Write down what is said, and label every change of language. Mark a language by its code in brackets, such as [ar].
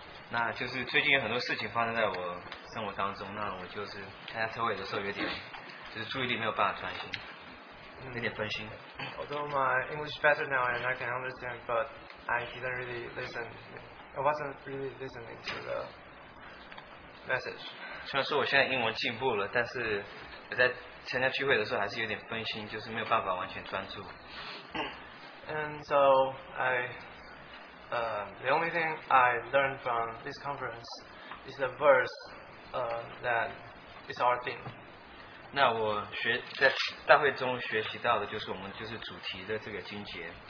[zh] 那就是最近有很多事情发生在我生活当中，那我就是参加特会的时候有点，就是注意力没有办法专心，有点分心。 [en] Although my English is better now and I can understand, but I didn't really listen. I wasn't really listening to the message. [zh] 虽然说我现在英文进步了，但是我在参加聚会的时候还是有点分心，就是没有办法完全专注。 [en] And so I, the only thing I learned from this conference is the verse, that is our theme. [zh] 那我学在大会中学习到的就是我们就是主题的这个经节。